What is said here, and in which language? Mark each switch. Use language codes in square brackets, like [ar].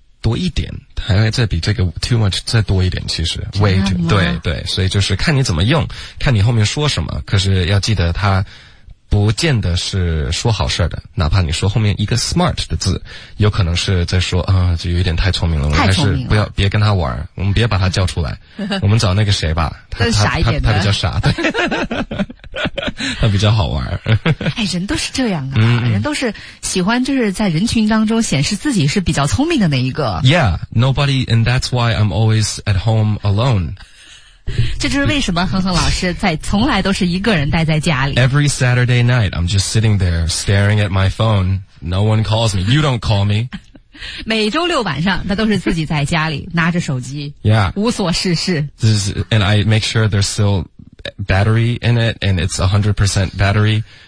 [zh] 多一点，还会再比这个 [en] too much [zh] 再多一点，其实 [en] way too， [zh] 对对，所以就是看你怎么用，看你后面说什么，可是要记得它不见得是说好事的，哪怕你说后面一个 smart 的字，有可能是在说啊、就有点太聪明了，我们还是不要别跟他玩，我们别把他叫出来，我们找那个谁吧，他比较傻，对，他比较好玩。哎，人都是这样啊，人都是喜欢就是在人群当中显示自己是比较聪明的那一个。 [en] Yeah, nobody, and that's why I'm always at home alone. [zh] 这就是为什么恒恒老师在从来都是一个人待在家里。 [en] Every Saturday night, I'm just sitting there staring at my phone. No one calls me. You don't call me. [zh] 每周六晚上，他都是自己在家里拿着手机， [en] yeah. [zh] 无所事事。 [en] This is, and I make sure there's still battery in it, and it's 100% battery.